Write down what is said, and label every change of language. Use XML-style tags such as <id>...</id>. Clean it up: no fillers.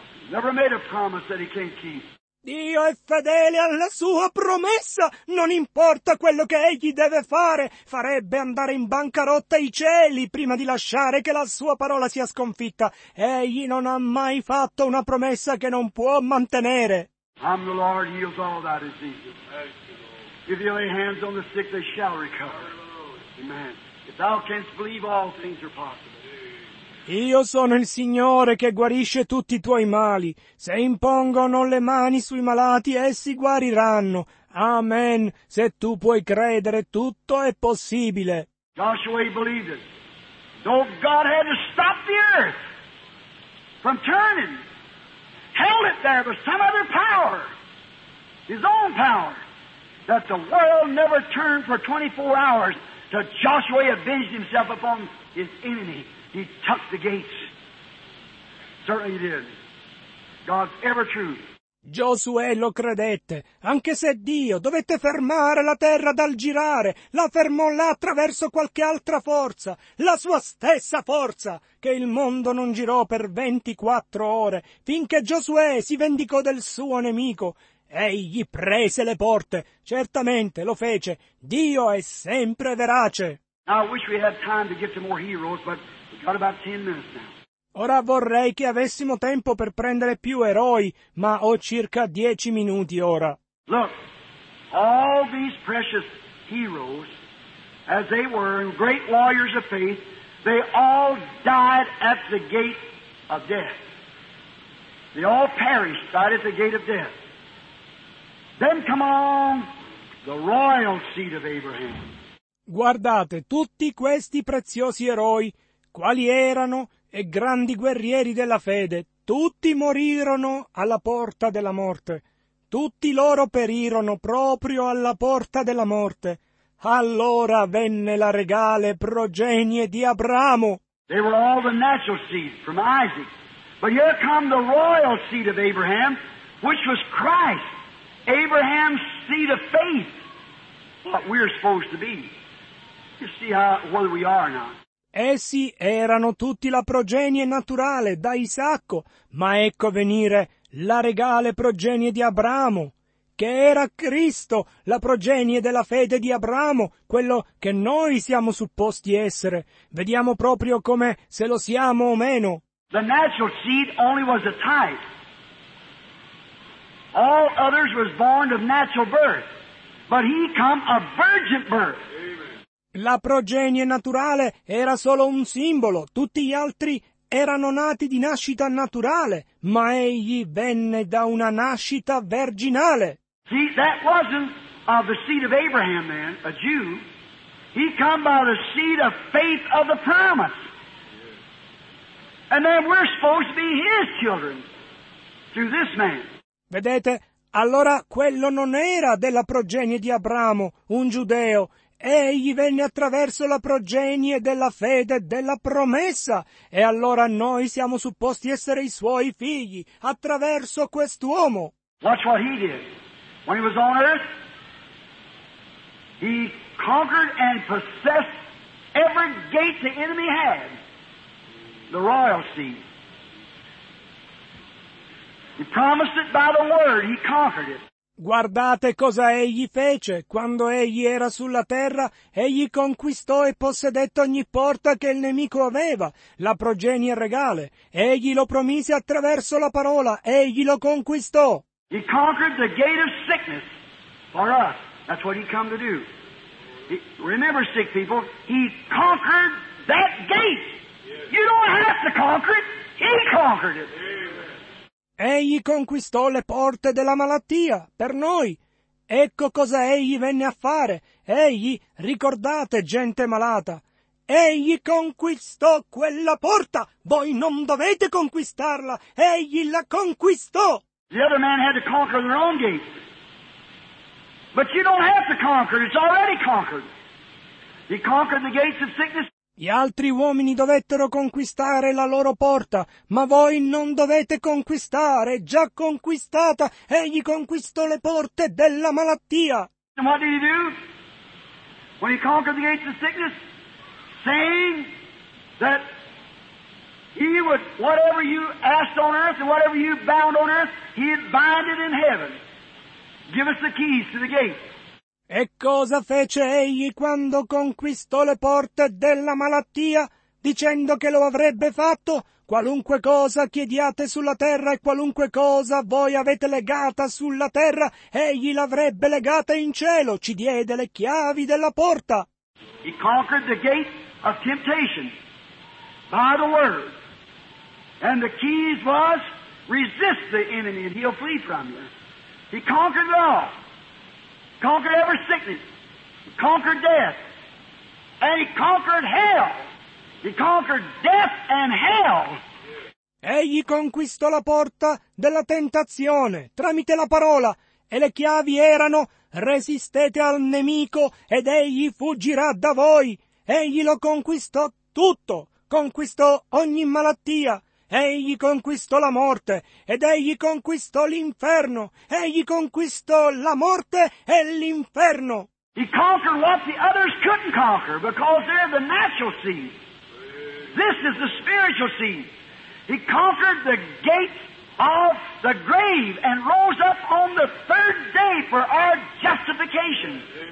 <en>Never made a promise that he can't keep.</en> <it>Dio è fedele alla sua promessa. Non importa quello che egli deve fare, farebbe andare in bancarotta i cieli prima di lasciare che la sua parola sia sconfitta. Egli non ha mai fatto una promessa che non può mantenere.</it> <en>I'm the Lord, heals all thy diseases. If you lay hands on the sick, they shall recover. Amen. If thou canst believe, all things are possible.</en> <it>Io sono il Signore che guarisce tutti i tuoi mali. Se impongono le mani sui malati, essi guariranno. Amen. Se tu puoi credere, tutto è possibile.</it> <en>Joshua believed it. Though God had to stop the earth from turning, held it there by some other power, his own power, that the world never turned for 24 hours till Joshua avenged himself upon his enemy. He tucked the gates. Certainly he did. God's ever true.</en> <it>Giosuè lo credette, anche se Dio dovette fermare la terra dal girare, la fermò là attraverso qualche altra forza, la sua stessa forza, che il mondo non girò per 24 ore, finché Giosuè si vendicò del suo nemico. Egli prese le porte, certamente lo fece. Dio è sempre verace.</it> <en>Now, I wish we had time to get to more heroes, but got about 10 minutes now.</en> <it>Ora vorrei che avessimo tempo per prendere più eroi, ma ho circa 10 minuti ora.</it> <en>Look, all these precious heroes, as they were great warriors of faith, they all died at the gate of death. They all perished right at the gate of death. Then come on the royal seed of Abraham.</en> <it>Guardate, tutti questi preziosi eroi, quali erano e grandi guerrieri della fede, tutti morirono alla porta della morte. Tutti loro perirono proprio alla porta della morte. Allora venne la regale progenie di Abramo.</it> <en>They were all the natural seed from Isaac. But here come the royal seed of Abraham, which was Christ, Abraham's seed of faith, what we're supposed to be. You see whether we are or not.</en> <it>Essi erano tutti la progenie naturale da Isacco, ma ecco venire la regale progenie di Abramo, che era Cristo, la progenie della fede di Abramo, quello che noi siamo supposti essere. Vediamo proprio come se lo siamo o meno.</it> <en>The natural seed only was a type. All others was born of natural birth, but he come a virgin birth.</en> <it>La progenie naturale era solo un simbolo, tutti gli altri erano nati di nascita naturale, ma egli venne da una nascita verginale.</it> <en>See, that wasn't of the seed of Abraham then, a Jew. He come by the seed of faith of the promise. And then we're supposed to be his children through this man.</en> <it>Vedete, allora quello non era della progenie di Abramo, un giudeo. Egli venne attraverso la progenie della fede della promessa, e allora noi siamo supposti essere i suoi figli attraverso quest'uomo.</it> <en>Watch what he did. When he was on earth, he conquered and possessed every gate the enemy had, the royal seed. He promised it by the word, he conquered it.</en> <it>Guardate cosa egli fece. Quando egli era sulla terra, egli conquistò e possedette ogni porta che il nemico aveva, la progenie regale. Egli lo promise attraverso la parola, egli lo conquistò.</it> <en>He conquered the gate of sickness for us. That's what he come to do. Remember, sick people, he conquered that gate. You don't have to conquer it, he conquered it.</en> <it>Egli conquistò le porte della malattia per noi. Ecco cosa egli venne a fare. Egli, ricordate, gente malata, egli conquistò quella porta. Voi non dovete conquistarla. Egli la conquistò.</it> <en>The other man had to conquer their own gates. But you don't have to conquer. It's already conquered. He conquered the gates of sickness.</en> <it>Gli altri uomini dovettero conquistare la loro porta, ma voi non dovete conquistare, già conquistata. Egli conquistò le porte della malattia.</it> <en>And what did he do? When he conquered the gates of sickness, saying that he would, whatever you asked on earth and whatever you bound on earth, he had bound it in heaven. Give us the keys to the gate.</en> <it>E cosa fece egli quando conquistò le porte della malattia, dicendo che lo avrebbe fatto? Qualunque cosa chiediate sulla terra e qualunque cosa voi avete legata sulla terra, egli l'avrebbe legata in cielo, ci diede le chiavi della porta.</it> <en>He conquered the gate of temptation by the word. And the keys was, resist the enemy and he'll flee from you. He conquered it all. Conquered every sickness. Conquered death. And he conquered hell. He conquered death and hell.</en> <it>Egli conquistò la porta della tentazione tramite la parola, e le chiavi erano: resistete al nemico ed egli fuggirà da voi. Egli lo conquistò tutto, conquistò ogni malattia. Egli conquistò la morte, ed egli conquistò l'inferno. Egli conquistò la morte e l'inferno.</it> <en>He conquered what the others couldn't conquer, because they're the natural seed. This is the spiritual seed. He conquered the gate of the grave and rose up on the third day for our justification.</en>